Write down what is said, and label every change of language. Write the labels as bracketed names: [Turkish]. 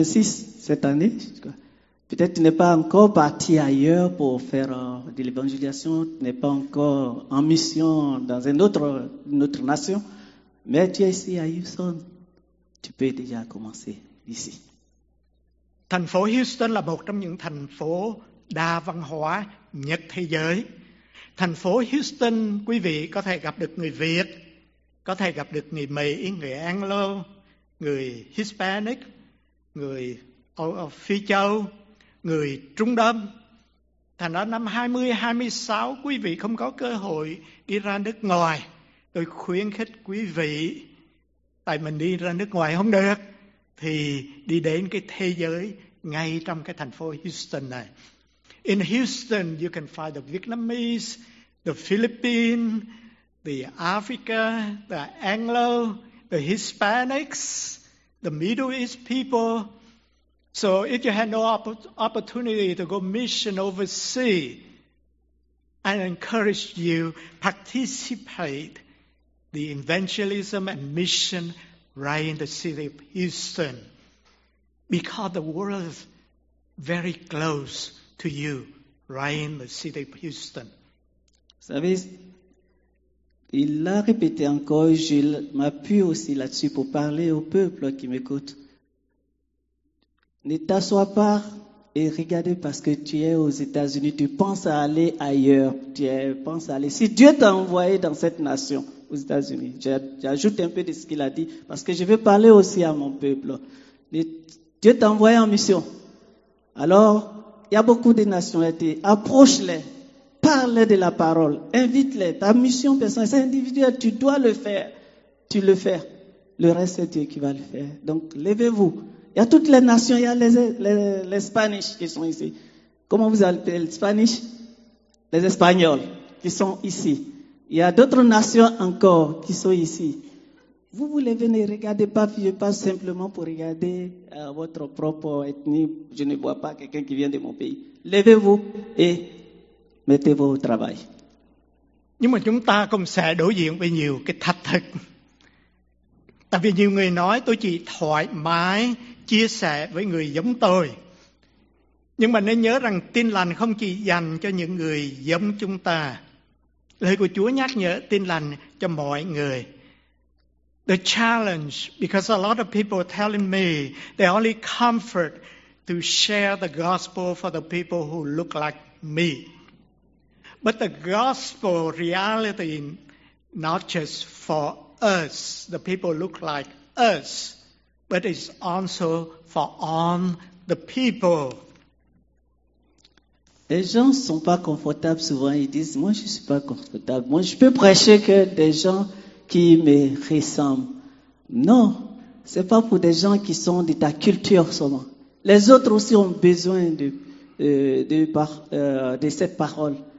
[French] L'année 2026, tu n'es pas encore parti ailleurs pour faire de l'évangélisation, tu n'es pas encore en mission dans une autre nation, mais tu es ici à Houston. Tu peux déjà commencer ici. [Vietnamese] Thành phố Houston là một trong những thành phố đa văn hóa nhất thế giới. Thành phố Houston, quý vị có thể gặp được người Việt, có thể gặp được người Mỹ, người Anglo, người Hispanic, người Phi Châu, người Trung Đông. Thành ra năm 2026, quý vị không có cơ hội đi ra nước ngoài. Tôi khuyến khích quý vị, tại mình đi ra nước ngoài không được, thì đi đến cái thế giới ngay trong cái thành phố Houston này. [English] In Houston, you can find the Vietnamese, the Philippines, the Africa, the Anglo, the Hispanics, the Middle East people. So if you have no opportunity to go mission overseas, I encourage you participate the evangelism and mission right in the city of Houston, because the world is very close to you right in the city of Houston. [French] Vous savez, il l'a répété encore, je m'appuie aussi là-dessus pour parler au peuple qui m'écoute. Ne t'assois pas et regarde parce que tu es aux États-Unis, tu penses à aller ailleurs, si Dieu t'a envoyé dans cette nation, aux États-Unis. J'ajoute un peu de ce qu'il a dit, parce que je veux parler aussi à mon peuple. Dieu t'a envoyé en mission. Alors, il y a beaucoup de nationalités. Approche-les. Parle de la parole. Invite-les. Ta mission personnelle, c'est individuel. Tu dois le faire. Tu le fais. Le reste, c'est Dieu qui va le faire. Donc, levez-vous. Il y a toutes les nations. Il y a les Spanish qui sont ici. Comment vous appelez les Spanish? Les Espagnols qui sont ici. Il y a d'autres nations encore qui sont ici. Vous voulez venir regarder Bafieux, pas simplement pour regarder votre propre ethnie. Je ne vois pas quelqu'un qui vient de mon pays. Levez-vous et mettez-vous au travail. [Vietnamese] Nhưng mà chúng ta cũng sẽ đối diện với nhiều cái thách thức. Tại vì nhiều người nói tôi chỉ thoải mái chia sẻ với người giống tôi. Nhưng mà nên nhớ rằng Tin Lành không chỉ dành cho những người giống chúng ta. Lời của Chúa nhắc nhở Tin Lành cho mọi người. [English] The challenge, because a lot of people telling me they only comfort to share the gospel for the people who look like me. But the gospel reality, not just for us, the people look like us, but it's also for all the people. [French] Les gens ne sont pas confortables souvent. Ils disent, moi, je ne suis pas confortable. Moi, je peux prêcher que des gens qui me ressemblent. Non, ce n'est pas pour des gens qui sont de ta culture seulement. Les autres aussi ont besoin de cette parole.